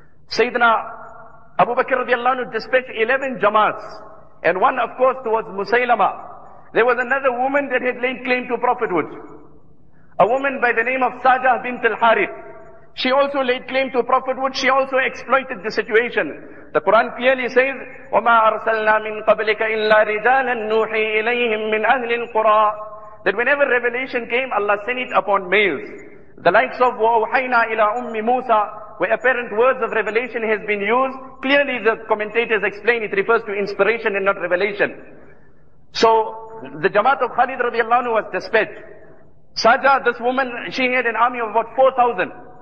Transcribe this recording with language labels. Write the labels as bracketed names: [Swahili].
[English] Sayyidina Abu Bakr radiallahu anhu dispatched 11 jamaats, and one of course towards Musaylama. There was another woman that had laid claim to prophethood. A woman by the name of Sajah bint al-Harith. She also laid claim to prophethood. She also exploited the situation. The Quran clearly says, [Arabic] وَمَا أَرْسَلْنَا مِن قَبْلِكَ إِلَّا رِجَالًا نُوحِي إِلَيْهِم مِّنْ أَهْلِ الْقُرَىٰ. [English] That whenever revelation came, Allah sent it upon males. The likes of [Arabic] وَأُحَيْنَا إِلَىٰ أُمِّ مُوسَىٰ, [English] where apparent words of revelation has been used, clearly the commentators explain it refers to inspiration and not revelation. So the Jamaat of Khalid radiallahu anhu was dispatched. Saja, this woman, she had an army of about 4,000.